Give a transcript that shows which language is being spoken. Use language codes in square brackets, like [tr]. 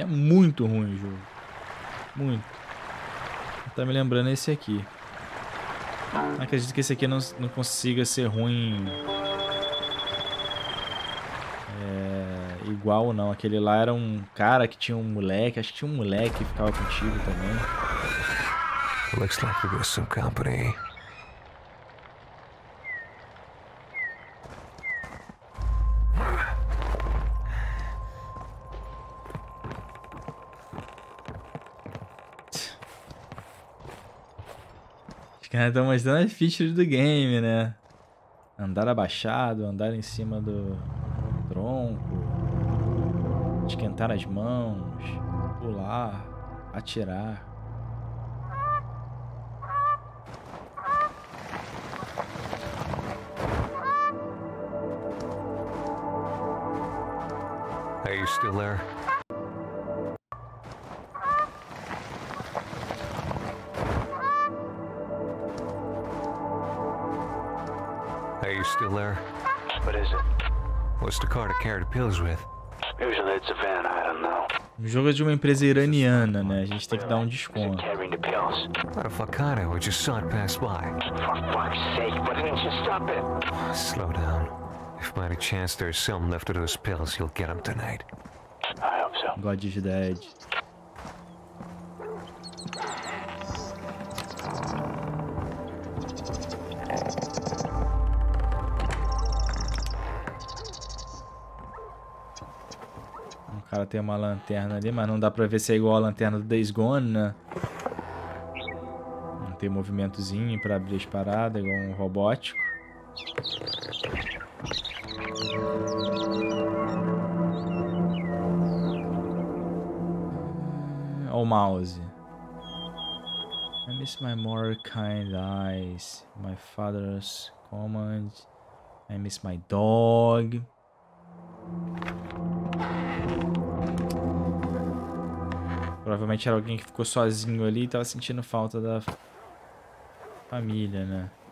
[pt] É muito ruim o jogo. Muito. Tá me lembrando esse aqui. Acredito que esse aqui não consiga ser ruim igual, não. Aquele lá era um cara que tinha um moleque. Acho que tinha um moleque que ficava contigo também. [en] Looks like we got some company. [pt] Estão mostrando as features do game, né? Andar abaixado, andar em cima do tronco, esquentar as mãos, pular, atirar. [en] Are you still there? Still there? What is it? What's the car to carry the pills with? Usually it's a van, I don't know. [pt] O jogo é de uma empresa iraniana, né? A gente tem que dar um desconto. [en] What the fuck kind of? We just saw it pass by. For fuck's sake, why didn't you stop it? Slow down. If by any chance there's some left of those pills, you'll get them tonight. I hope so. God is dead. [pt] Cara, tem uma lanterna ali, mas não dá pra ver se é igual a lanterna do Days Gone, né? Não tem movimentozinho pra abrir as paradas, igual um robótico. Olha o mouse. [en] I miss my more kind eyes, my father's command, I miss my dog. [pt] Provavelmente era alguém que ficou sozinho ali e tava sentindo falta da família, né?